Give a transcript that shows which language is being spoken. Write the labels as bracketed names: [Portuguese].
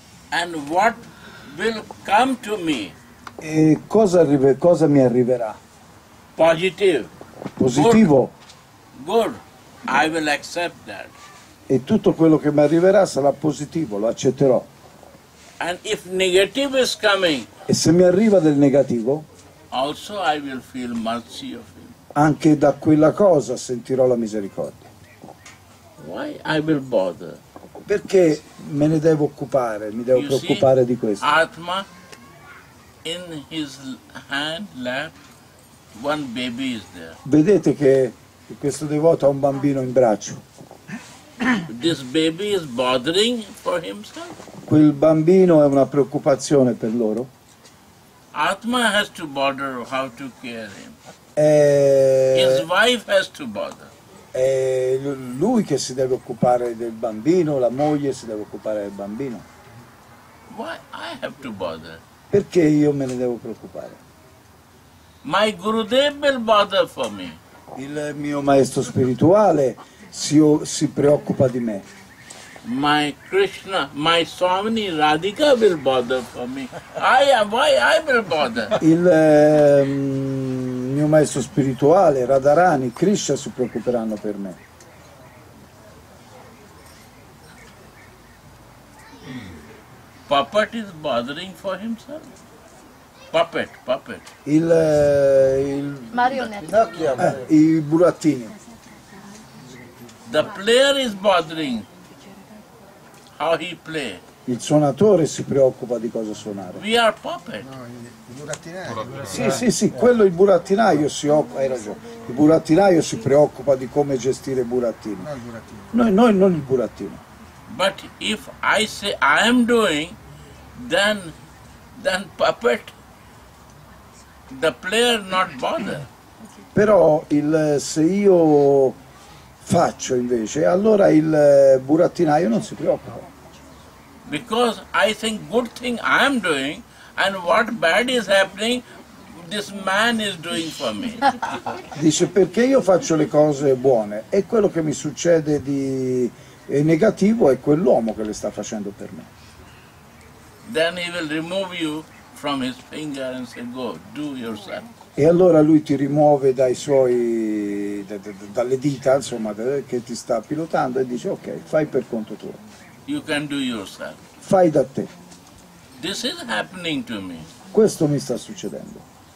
[English] And what will come to me? [Italian] E cosa mi arriverà? [English] Positive. [Italian] Positivo. [English] Good. I will accept that. [Italian] E tutto quello che mi arriverà sarà positivo, lo accetterò. [English] And if negative is coming, [Italian] e se mi arriva del negativo, [English] also I will feel mercy of him. [Italian] Anche da quella cosa sentirò la misericordia. [English] Why I will bother? [Italian] Perché me ne devo occupare, mi devo [English] you [Italian] preoccupare [English] see, [Italian] di questo. [English] Atma in his hand lap one baby is there. [Italian] Vedete che questo devoto ha un bambino in braccio. [English] This baby is bothering for himself? [Italian] Quel bambino è una preoccupazione per loro. [English] Atma has to bother how to care him. His wife has to bother. [Italian] È lui che si deve occupare del bambino, la moglie si deve occupare del bambino. [English] Why I have to bother? [Italian] Perché io me ne devo preoccupare? [English] My Gurudev will bother for me. [Italian] Il mio maestro spirituale si preoccupa di me. [English] My Krishna, my Swami Radhika will bother for me. Why I will bother? [Italian] Il mio maestro spirituale, Radharani, Krishna si preoccuperanno per me. [English] Puppet is bothering for himself? Puppet. [Italian] Il marionette. I burattini. [English] The player is bothering how he plays. [Italian] il suonatore si preoccupa di cosa suonare. [English] We are puppet. [Italian] No, il burattinaio. Sì, sì, sì, quello il burattinaio si occupa, hai ragione. Il burattinaio si preoccupa di come gestire i burattini. Non il burattino. Noi non il burattino. [English] But if I say I am doing, then puppet, the player not bother. [Italian] Però se io faccio invece, allora il burattinaio non si preoccupa. [English] Because I think good thing I am doing and what bad is happening, this man is doing for me. [Italian] Dice perché io faccio le cose buone e quello che mi succede di è negativo è quell'uomo che le sta facendo per me. [English] Then he will remove you from his finger and say, go, do yourself. [Italian] E allora lui ti rimuove dai suoi dalle dita, insomma, che ti sta pilotando e dice ok, fai per conto tuo. [English] You can do yourself. [Italian] Fai da te. [English] This is happening to me. [Italian] Questo mi sta succedendo.